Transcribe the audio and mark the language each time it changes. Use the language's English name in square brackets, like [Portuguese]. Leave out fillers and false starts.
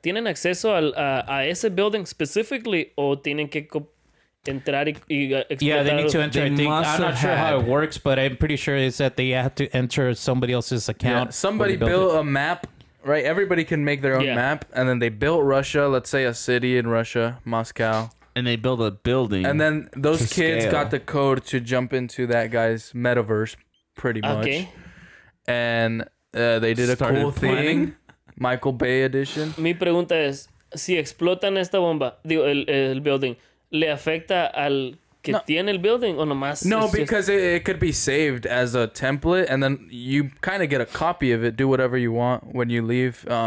[Spanish] ¿Tienen acceso a ese [English] building specifically [Spanish] o tienen que entrar y explotar? [English] Yeah, they need to enter. I'm not sure how it works, but I'm pretty sure it's that they have to enter somebody else's account. Yeah, somebody built a map, right? Everybody can make their own map, and then they built Russia, let's say a city in Russia, Moscow. And they build a building. And then those kids got the code to jump into that guy's metaverse. Pretty much. Okay. And they did a cool thing. Michael Bay edition. [Spanish] Mi pregunta es, si explotan esta bomba, digo, el building, ¿le afecta al que no. tiene el building o nomás? [English] No, because just... it could be saved as a template, and then you kind of get a copy of it, do whatever you want when you leave.